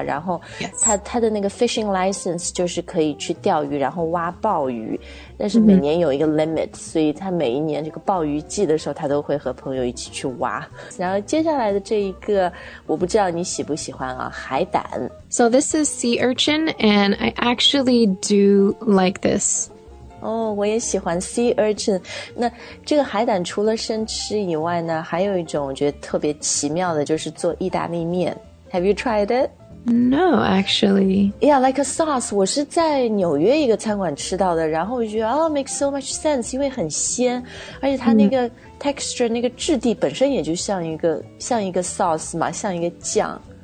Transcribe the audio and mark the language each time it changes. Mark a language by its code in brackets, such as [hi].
[zh] 然后她的那个 fishing license 就是可以去钓鱼，然后挖鲍鱼，但是每年有一个 limit, 所以她每一年这个鲍鱼季的时候，她都会和朋友一起去挖。然后接下来的这一个，我不知道你喜不喜欢啊，海胆。 [en] So this is sea urchin, and I actually do like this. [zh] 哦、oh, 我也喜欢 sea urchin 那这个海胆除了生吃以外呢还有一种我觉得特别奇妙的就是做意大利面 [en] Have you tried it? No, actually Yeah, like a sauce [zh] 我是在纽约一个餐馆吃到的然后我觉得 [en] Oh, makes so much sense [zh] 因为很鲜而且它那个 texture、那个质地本身也就像一个 sauce 嘛像一个酱